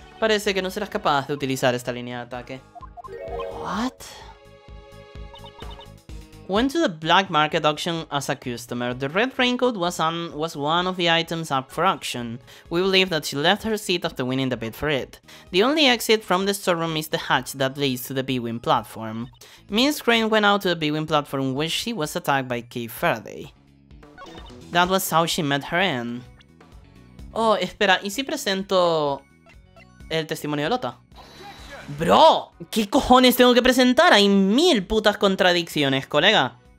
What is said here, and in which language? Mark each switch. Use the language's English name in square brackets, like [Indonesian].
[Spanish] Parece que no serás capaz de utilizar esta línea de ataque. [English] ¿What? Went to the black market auction as a customer. The red raincoat was one of the items up for auction. We believe that she left her seat after winning the bid for it. The only exit from the storeroom is the hatch that leads to the B-Wing platform. Miss Crane went out to the B-Wing platform where she was attacked by Kay Faraday. That was how she met her end. [Spanish] Oh, espera, ¿y si presento el testimonio de Lota? Bro, ¿qué cojones tengo que presentar? Hay mil putas contradicciones, colega.